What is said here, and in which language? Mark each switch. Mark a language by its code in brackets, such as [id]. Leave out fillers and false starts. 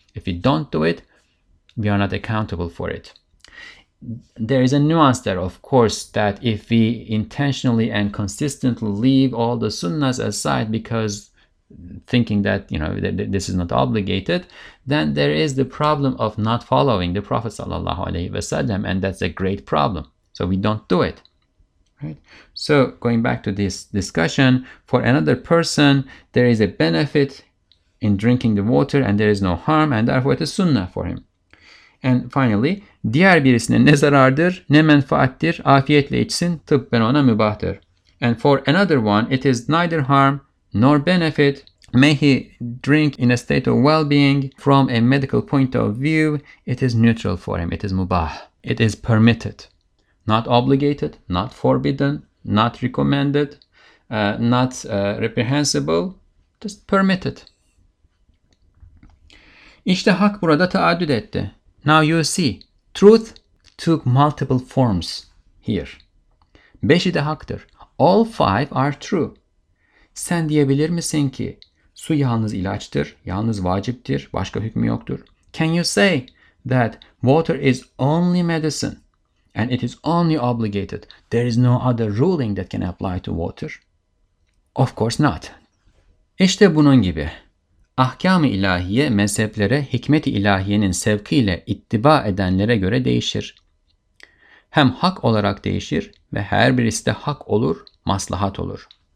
[en] If we don't do it, we are not accountable for it. There is a nuance there, of course, that if we intentionally and consistently leave all the sunnahs aside because thinking that, you know, this is not obligated, then there is the problem of not following the Prophet [ar] sallallahu alaihi wasallam, [en] and that's a great problem. So we don't do it. Right. So going back to this discussion, for another person, there is a benefit in drinking the water and there is no harm and therefore it is sunnah for him. And finally, [tr] diğer birisine ne zarardır, ne menfaattir, afiyetle içsin, tıbben ona mübahtır. [en] And for another one, it is neither harm nor benefit. May he drink in a state of well-being. From a medical point of view, it is neutral for him. It is mubah. It is permitted. Not obligated, not forbidden, not recommended, not reprehensible, just permitted. [tr] İşte hak burada taaddüd etti. [en] Now you see, truth took multiple forms here. [tr] Beşi de haktır. [en] All 5 are true. [tr] Sen diyebilir misin ki su yalnız ilaçtır, yalnız vaciptir, başka hükmü yoktur? [en] Can you say that water is only medicine? And it is only obligated. There is no other ruling that can apply to water. Of course not. [tr] İşte bunun gibi. Ahkam-ı ilahiye mezheplere hikmet-i ilahiyenin sevkiyle ittiba edenlere göre değişir. Hem hak olarak değişir ve her birisi de hak olur, maslahat olur.